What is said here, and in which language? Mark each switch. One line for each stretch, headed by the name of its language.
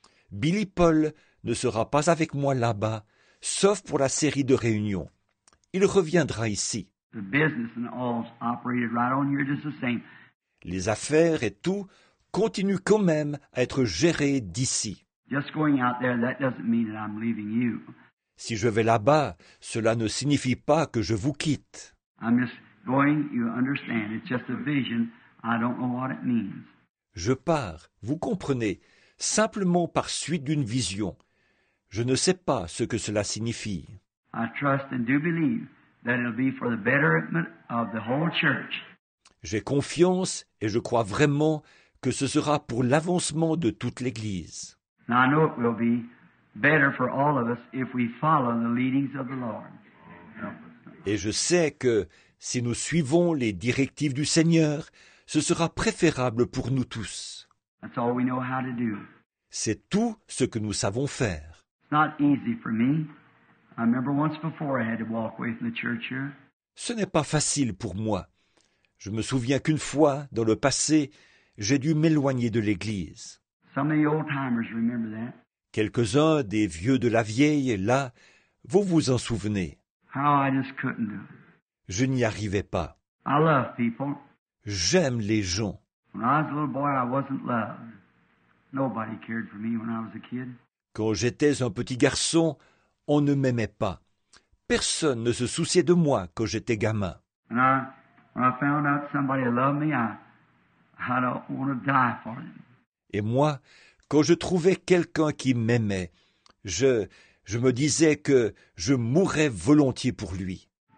French: Billy Paul ne sera pas avec moi là-bas, sauf pour la série de réunions. Il reviendra ici.
English: The business and all's operated right on here just the same.
French: Les affaires et tout continuent quand même à être gérées d'ici.
English: Just going out there, that doesn't mean that I'm leaving you.
French: Si je vais là-bas, cela ne signifie pas que je vous quitte.
English: I'm just going, you understand, it's just a vision, I don't know what it means.
French: Je pars, vous comprenez, simplement par suite d'une vision. Je ne sais pas ce que cela signifie.
English: I trust and do believe that it'll be for the betterment of the whole church.
French: J'ai confiance et je crois vraiment que ce sera pour l'avancement de toute l'Église.
English: Now I know it will be better for all of us if we follow the leadings of the Lord.
French: Et je sais que si nous suivons les directives du Seigneur, ce sera préférable pour nous tous.
English: That's all we know how to do.
French: C'est tout ce que nous savons faire.
English: It's not easy for me. I remember once before I had to walk away from the church here.
French: Ce n'est pas facile pour moi. Je me souviens qu'une fois, dans le passé, j'ai dû m'éloigner de l'Église.
English: Some of the old-timers remember that.
French: Quelques-uns des vieux de la vieille, là, vous vous en souvenez.
English: How I just couldn't do it.
French: Je n'y arrivais pas.
English: I love people.
French: J'aime les gens.
English: When I was a little boy, I wasn't loved. Nobody cared for me when I was a kid.
French: Quand j'étais un petit garçon, on ne m'aimait pas. Personne ne se souciait de moi quand j'étais gamin.
English: And when I found out somebody loved me, I don't want to die for them.
French: Et moi, quand je trouvais quelqu'un qui m'aimait, je me disais que je mourrais volontiers pour lui.